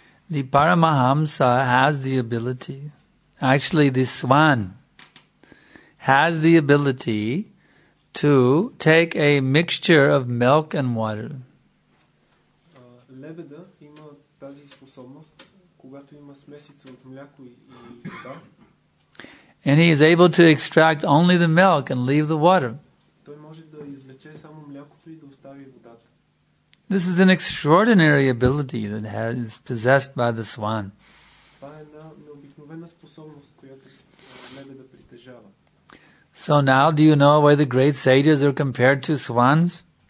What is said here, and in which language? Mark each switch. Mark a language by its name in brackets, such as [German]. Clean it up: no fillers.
[English] The Paramahamsa has the ability, actually the swan has the ability to take a mixture of milk and water. [Bulgarian] Лебеда има тази способност, когато има смесица от мляко и вода. [English] And he is able to extract only the milk and leave the water. [Bulgarian] Той може да извлече само млякото и да остави водата. [English] This is an extraordinary ability that is possessed by the swan. [Bulgarian] Това е една необикновена способност, която лебеда притежава. [English] So now, do you know why the great sages are compared to swans?